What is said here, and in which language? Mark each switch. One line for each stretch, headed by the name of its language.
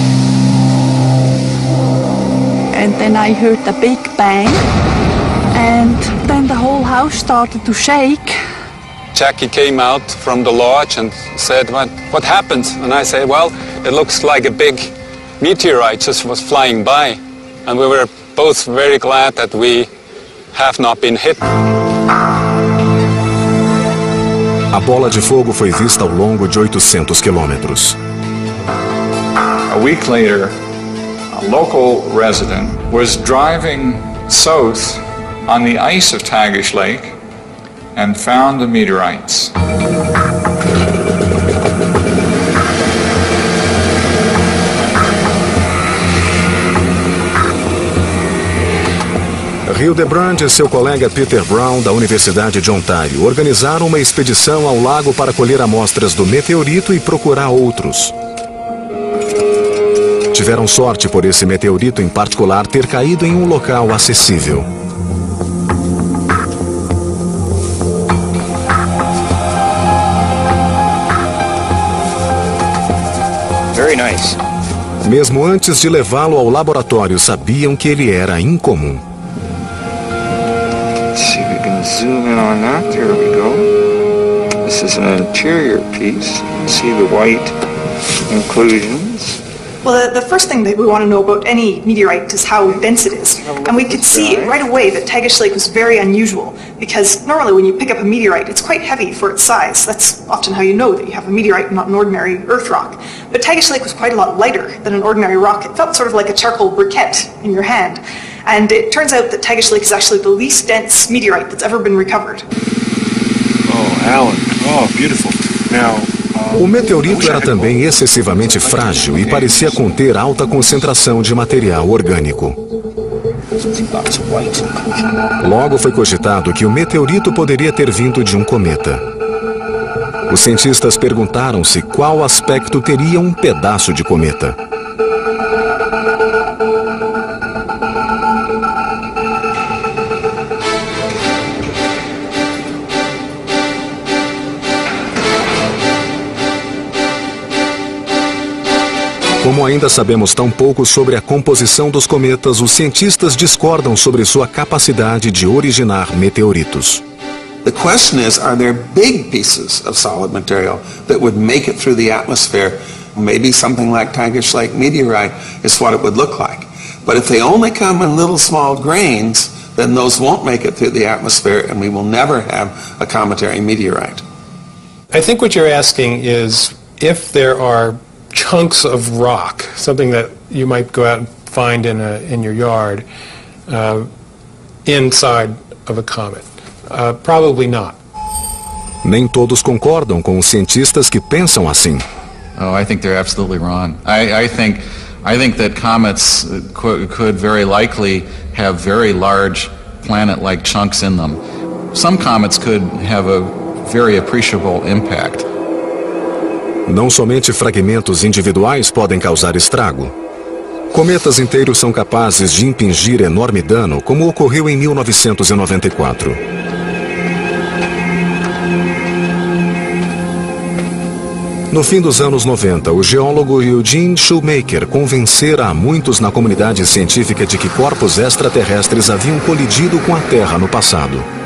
English: And then I heard the big bang, and then the whole house started to shake. Jackie came out from the lodge and said, what happened? And I said, well, it looks like a big meteorite just was flying by. And we were both very glad that we have not been hit.
Portuguese: A bola de fogo foi vista ao longo de 800 quilômetros.
English: A week later, a local resident was driving south on the ice of Tagish Lake and found the meteorites.
Portuguese: Hugh DeBrand e seu colega Peter Brown, da Universidade de Ontário, organizaram uma expedição ao lago para colher amostras do meteorito e procurar outros. Tiveram sorte por esse meteorito em particular ter caído em um local acessível.
English: very nice.
Portuguese: Mesmo antes de levá-lo ao laboratório, sabiam que ele era incomum.
English: Let's see if we can zoom in on that. There we go. This is an interior piece. See the white inclusions. Well, the first thing that we want to know about any meteorite is how dense it is. And we could see right away that Tagish Lake was very unusual, because normally when you pick up a meteorite, it's quite heavy for its size. That's often how you know that you have a meteorite, not an ordinary earth rock. But Tagish Lake was quite a lot lighter than an ordinary rock. It felt sort of like a charcoal briquette in your hand. And it turns out that Tagish Lake is actually the least dense meteorite that's ever been recovered. Oh, Alan. Oh, beautiful. Now...
Portuguese: O meteorito era também excessivamente frágil e parecia conter alta concentração de material orgânico. Logo foi cogitado que o meteorito poderia ter vindo de um cometa. Os cientistas perguntaram-se qual aspecto teria um pedaço de cometa. Como ainda sabemos tão pouco sobre a composição dos cometas, os cientistas discordam sobre sua capacidade de originar meteoritos.
English: The question is, are there big pieces of solid material that would make it through the atmosphere? Maybe something like Tagish Lake meteorite is what it would look like. But if they only come in little small grains, then those won't make it through the atmosphere and we will never have a cometary meteorite. I think what you're asking is if there are chunks of rock, something that you might go out and find in your yard, inside of a comet. Probably not.
Portuguese: Nem todos concordam com os cientistas que pensam assim.
English: Oh, I think they're absolutely wrong. I think that comets could very likely have very large planet-like chunks in them. Some comets could have a very appreciable impact.
Portuguese: Não somente fragmentos individuais podem causar estrago. Cometas inteiros são capazes de impingir enorme dano, como ocorreu em 1994. No fim dos anos 90, o geólogo Eugene Shoemaker convencera a muitos na comunidade científica de que corpos extraterrestres haviam colidido com a Terra no passado.